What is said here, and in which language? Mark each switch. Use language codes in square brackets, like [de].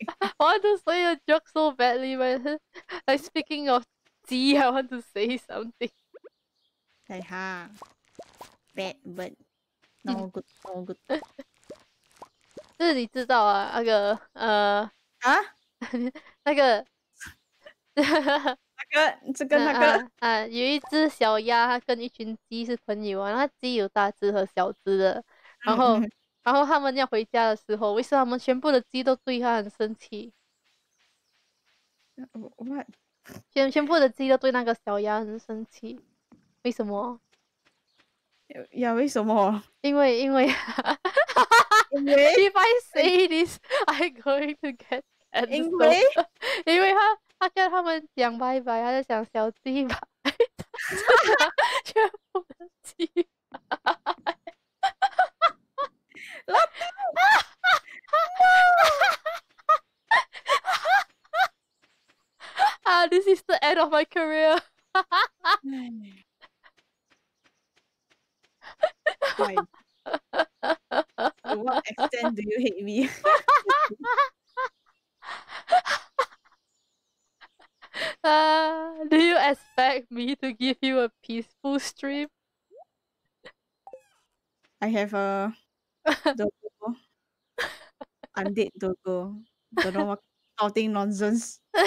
[en] I want to say a joke so badly, but like speaking of tea, I want to say something. Hey ha, bad but no good, no good. [zh] 有一只小鸭，它跟一群鸡是朋友啊。那鸡有大只和小只的，然后他们要回家的时候，为什么他们全部的鸡都对它很生气？全部的鸡都对那个小鸭很生气，为什么？呀，为什么？因为， [en] If I say this, I'm going to get cancelled. [zh] 因为他。他跟他们讲拜拜，他在讲小鸡吧，全部的鸡，老板 [en] 啊 ！This is the end of my career. 哈哈哈哈哈哈哈哈哈哈 Do you expect me to give you a peaceful stream? I have a dogo. Undead dogo. Don't know what shouting nonsense.